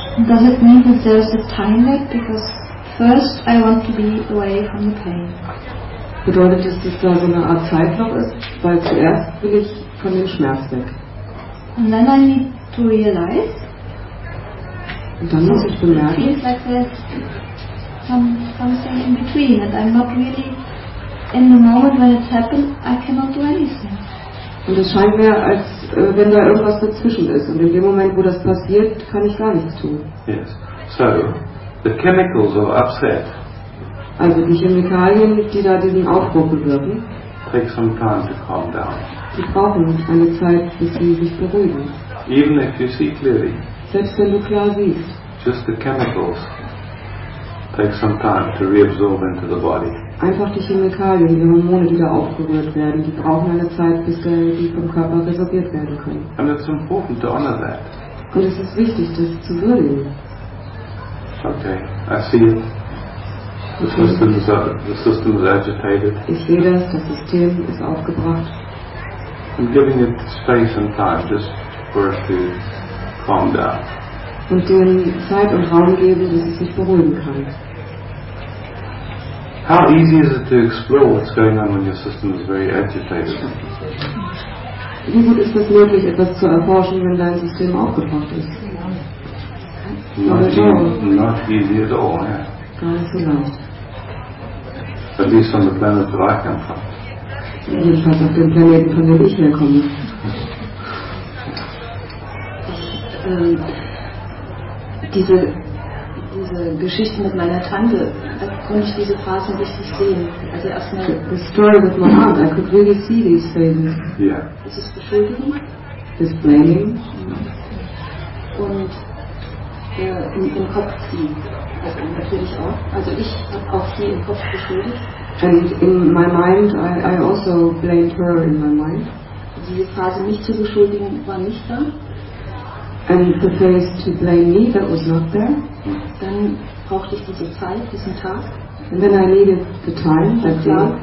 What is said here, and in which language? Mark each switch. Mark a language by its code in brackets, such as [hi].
[en] Does it mean that there's a time lag? Because first I want to be away from the pain. [de] Bedeutet es, dass da so eine Art Zeitloch ist, weil zuerst will ich von dem Schmerz weg. [en] And then I need to realize. [de] Und dann muss ich bemerken. [en] It feels like there's something in between, and I'm not really in the moment when it's happened. I cannot do anything. [de] Und es scheint mir, als wenn da irgendwas dazwischen ist, und in dem Moment, wo das passiert, kann ich gar nichts tun. [en] Yes. So, the chemicals are upset. [de] Also die Chemikalien, die da diesen Aufbruch bewirken, [en] take some time to calm down. [de] Die brauchen eine Zeit, bis sie sich beruhigen. [en] Even if you see clearly. [de] Selbst wenn du klar siehst. [en] Just the chemicals take some time to reabsorb into the body. [de] Einfach die Chemikalien, die Hormone, die da aufgerührt werden, die brauchen eine Zeit, bis die vom Körper resorbiert werden können. [en] And it's important to honor that. [de] Und es ist wichtig, das zu würdigen. [en] Okay, I see it. The system is agitated. [de] Ich sehe das. Das System ist aufgebracht. [en] I'm giving it space and time just for it to calm down. [de] Und dem Zeit und Raum geben, dass es sich beruhigen kann. [en] How easy is it to explore what's going on when your system is very agitated? [de] Wie gut ist es möglich, etwas zu erforschen, wenn dein System aufgebracht ist? [en] Not easy at all, yeah. [de] Gar nicht so lang. [en] At least on the planet that I come from. [de] Jedenfalls auf dem Planeten, von dem ich herkomme. Diese Geschichte mit meiner Tante, da konnte ich diese Phasen richtig sehen. Also erstmal. [en] The story with my aunt, I could really see these phases. Yeah. [de] Ist es Beschuldigung? Das Blaming. Und im Kopf ziehen. Also natürlich auch. Also ich habe auch sie im Kopf beschuldigt. [en] And in my mind, I also blamed her in my mind. [de] Diese Phase, mich zu beschuldigen, war nicht da. [en] And the phase to blame me, that was not there. [de] Dann brauchte ich diese Zeit, diesen Tag. [en] And then I needed the time, that day.